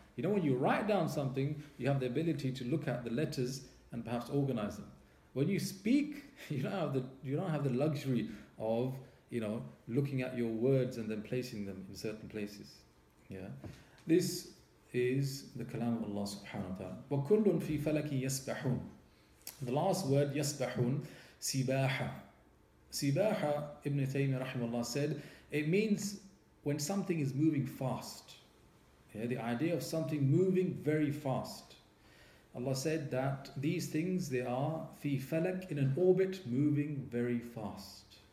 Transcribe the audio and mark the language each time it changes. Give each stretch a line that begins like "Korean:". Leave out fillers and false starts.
English: You know, when you write down something, you have the ability to look at the letters and perhaps organize them. When you speak, you don't have the luxury of, you know, looking at your words and then placing them in certain places. Yeah. This is the kalam of Allah subhanahu wa ta'ala.
Arabic: وَكُلٌّ فِي فَلَكِ يَسْبَحُونَ
English: The last word,
Arabic: يَسْبَحُونَ, سِبَاحَ.
English: Sibaha, Ibn Taymiyyah rahimahullah said, it means when something is moving fast. Yeah, the idea of something moving very fast. Allah said that these things, they are fi falak, in an orbit, moving very fast.